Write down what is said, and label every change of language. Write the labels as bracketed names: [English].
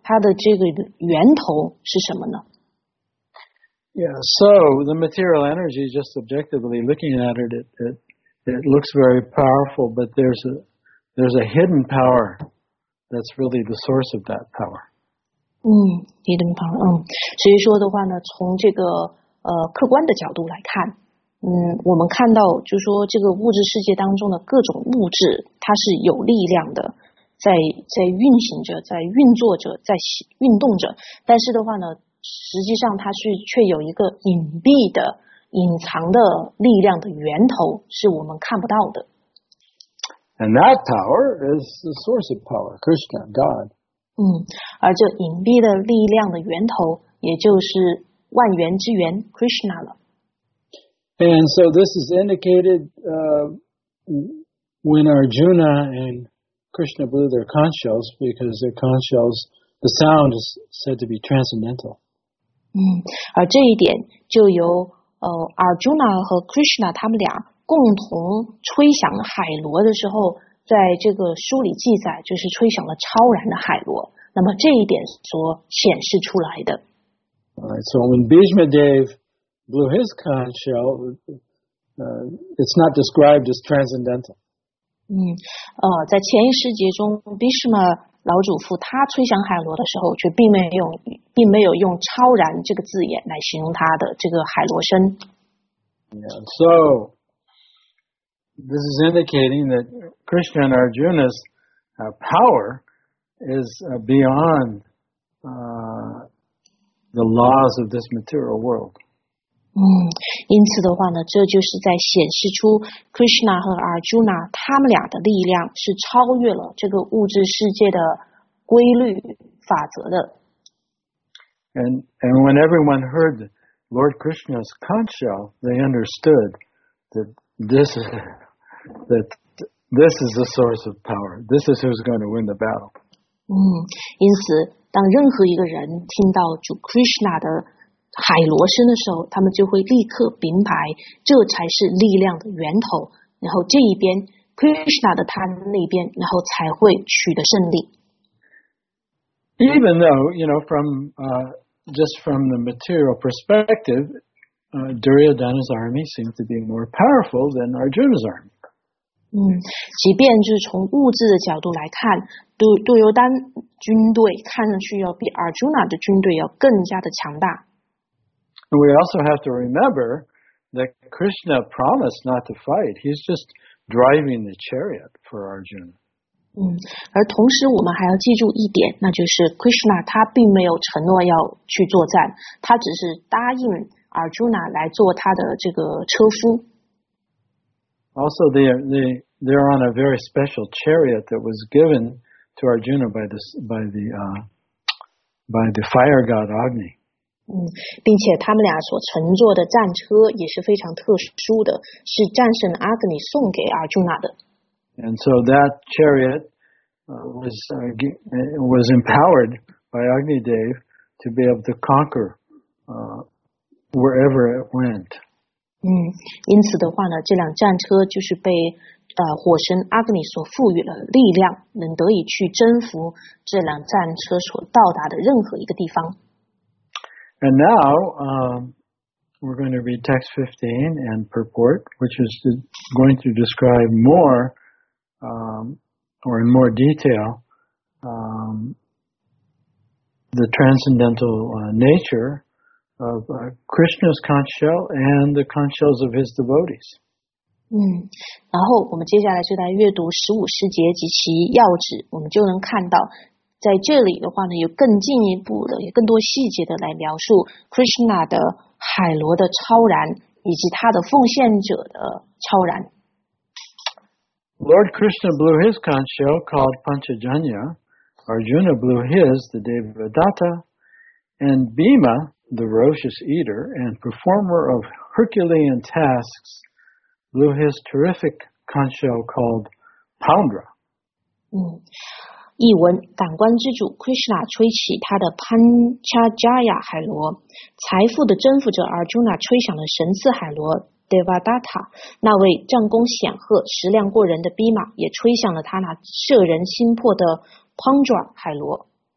[Chinese] 它的这个源头是什么呢？ [English] Yeah, so the material energy, just objectively looking at it, it looks very powerful, but there's a hidden power that's really the source of that power. Hidden power. [Chinese] 所以说的话呢，从这个客观的角度来看，我们看到就是说这个物质世界当中的各种物质，它是有力量的。在运行着，在运作着，在运动着，但是的话呢，实际上它是却有一个隐蔽的、隐藏的力量的源头，是我们看不到的。 [English] And that power is the source of power, Krishna, God. [Chinese] 而这隐蔽的力量的源头，也就是万源之源 Krishna 了。 [English] And so this is indicated when Arjuna and Krishna blew their conch shells, because their conch shells, the sound is said to be transcendental. [Chinese] 而这一点就由Arjuna 和 Krishna 他们俩共同吹响海螺的时候，在这个书里记载，就是吹响了超然的海螺。那么这一点所显示出来的。 [English] Alright, so when Bhishma Dev blew his conch shell, it's not described as transcendental. [Chinese] 在前一世节中 ，Bhishma 老祖父他吹响海螺的时候，却并没有用超然这个字眼来形容他的这个海螺声。 [English] Yeah, so this is indicating that Krishna and Arjuna's power is beyond the laws of this material world. [Chinese] 因此的话呢，这就是在显示出 Krishna 和 Arjuna 他们俩的力量是超越了这个物质世界的规律法则的。 [English] And when everyone heard Lord Krishna's conch shell, they understood that this is the source of power. This is who's going to win the battle. [Chinese] 因此当任何一个人听到主 Krishna 的海螺声的时候，他们就会立刻明白，这才是力量的源头。然后这一边 Krishna 的他那边，然后才会取得胜利。 [English] Even though you know from the material perspective, Duryodhana's army seems to be more powerful than Arjuna's army. [Chinese] 即便就是从物质的角度来看，杜尤丹军队看上去要比 Arjuna 的军队要更加的强大。 [English] We also have to remember that Krishna promised not to fight. He's just driving the chariot for Arjuna. [Chinese] 而同时我们还要记住一点，那就是 Krishna 他并没有承诺要去作战，他只是答应 Arjuna 来做他的这个车夫。 [English] Also, they're on a very special chariot that was given to Arjuna by the fire god Agni. [Chinese] 并且他们俩所乘坐的战车也是非常特殊的，是战神阿格尼送给阿朱娜的。 [English] And so that chariot was empowered by Agni Dev to be able to conquer wherever it went. [Chinese] 因此的话呢，这辆战车就是被火神阿格尼所赋予了力量，能得以去征服这辆战车所到达的任何一个地方。 [English] And now, we're going to read text 15 and purport, which is going to describe more, or in more detail, the transcendental nature of Krishna's conch shell and the conch shells of his devotees. [Chinese] 嗯，然后我们接下来就来阅读十五世节及其要旨，我们就能看到，在这里的话呢，有更进一步的、有更多细节的来描述 Krishna 的海螺的超然，以及他的奉献者的超然。 [English] Lord Krishna blew his conch shell called Panchajanya. Arjuna blew his, the Devadatta, and Bhima, the ferocious eater and performer of Herculean tasks. Blew his terrific conch shell called Poundra. [Chinese] 译文：感官之主 Krishna 吹起他的 Panchajaya 海螺，财富的征服者 Arjuna 吹响了神赐海螺 Devadatta， 那位战功显赫、食量过人的 Bhima 也吹响了他那摄人心魄的 Poundra 海螺。